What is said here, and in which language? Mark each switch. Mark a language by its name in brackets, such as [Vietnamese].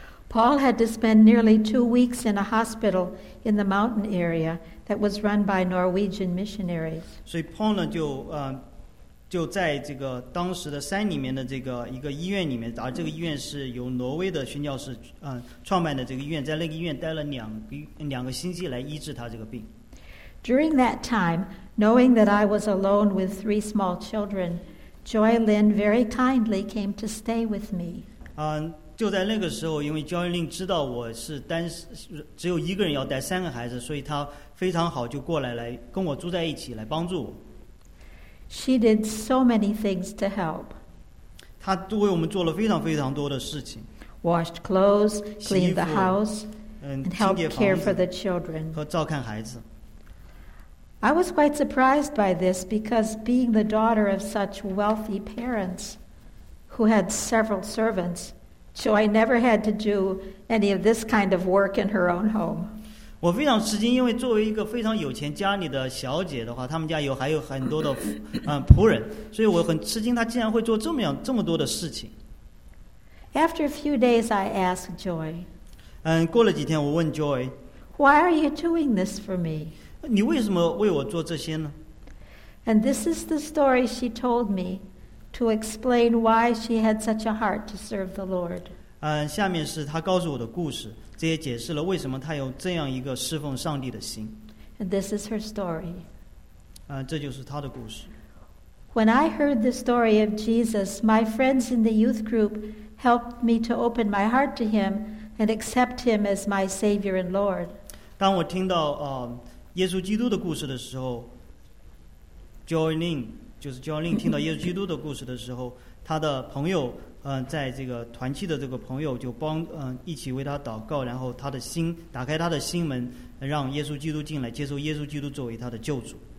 [English] Paul had to spend nearly 2 weeks in a hospital in the mountain area that was run by Norwegian missionaries. [Chinese] 所以 Paul 呢就在这个当时的山里面的这个一个医院里面，而这个医院是由挪威的宣教士创办的这个医院，在那个医院待了两个星期来医治他这个病。 [English] During that time, knowing that I was alone with 3 small children, Joy Lynn very kindly came to stay with me. [Chinese] 就在那个时候，因为 Joy Lynn 知道我是只有一个人要带三个孩子，所以她非常好，就过来来跟我住在一起，来帮助我。 [English] She did so many things to help. [Chinese] 她为我们做了非常非常多的事情。 [English] Washed clothes, cleaned the house, and helped care for the children. [Chinese] 和照看孩子。 [English] I was quite surprised by this because being the daughter of such wealthy parents who had several servants, Joy never had to do any of this kind of work in her own home. [Chinese] 我非常吃惊，因为作为一个非常有钱家里的小姐的话，他们家还有很多的仆人，所以我很吃惊她竟然会做这么多的事情。 [English] After a few days, I asked Joy, [Chinese] 过了几天我问 Joy, [English] Why are you doing this for me? [Chinese] 你为什么为我做这些呢？ [English] And this is the story she told me to explain why she had such a heart to serve the Lord. [Chinese] 下面是她告诉我的故事，这也解释了为什么她有这样一个侍奉上帝的心。 [English] And this is her story. [Chinese] 这就是她的故事。 [English] When I heard the story of Jesus, my friends in the youth group helped me to open my heart to him and accept him as my Savior and Lord. [Chinese] 当我听到耶稣基督的故事的时候 ，Joy Lynn 就是 Joy Lynn 听到耶稣基督的故事的时候，他的朋友在这个团契的这个朋友就帮一起为他祷告，然后他的心打开他的心门，让耶稣基督进来，接受耶稣基督作为他的救主。